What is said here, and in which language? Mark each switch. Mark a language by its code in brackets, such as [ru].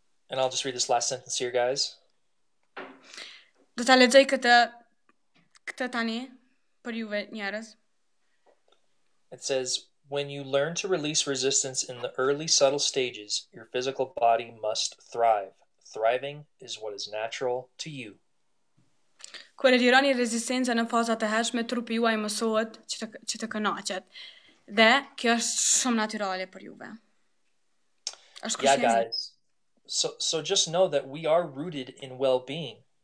[en] And I'll just read this last sentence here, guys. [sq] Do ta lexoj këtë tani për juve njerëz. [en] It says, when you learn to release resistance in the early subtle stages, your physical body must thrive. Thriving is what is natural to you. [sq] Kur lironi rezistenca në fazat e hershme, trupi juaj mësohet që të kënaqet. Dhe kjo është shumë natyrale për juve. Është [en] Yeah, [sq] kryesa. [en] guys. So just know that we are rooted in well-being.